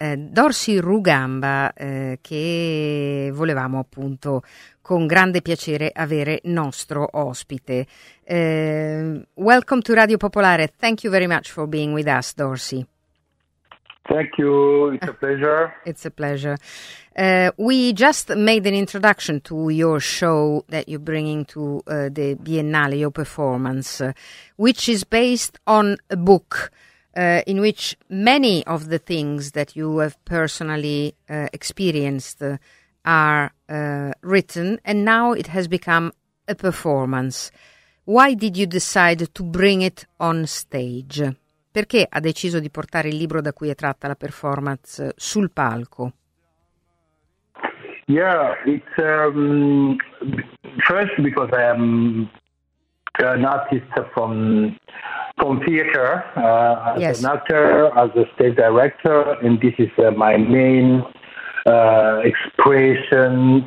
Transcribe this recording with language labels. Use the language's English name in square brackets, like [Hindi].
[Italian] Dorsi Rugamba, che volevamo appunto con grande piacere avere nostro ospite. [English] Welcome to Radio Popolare. Thank you very much for being with us, Dorsi. Thank you. It's a pleasure. It's a pleasure. We just made an introduction to your show that you're bringing to the Biennale, your performance, which is based on a book in which many of the things that you have personally experienced are written, and now it has become a performance. Why did you decide to bring it on stage? [Italian] Perché ha deciso di portare il libro da cui è tratta la performance sul palco? [English] Yeah, it's first because I am an artist from theater, yes. As an actor, as a stage director, and this is my main expression.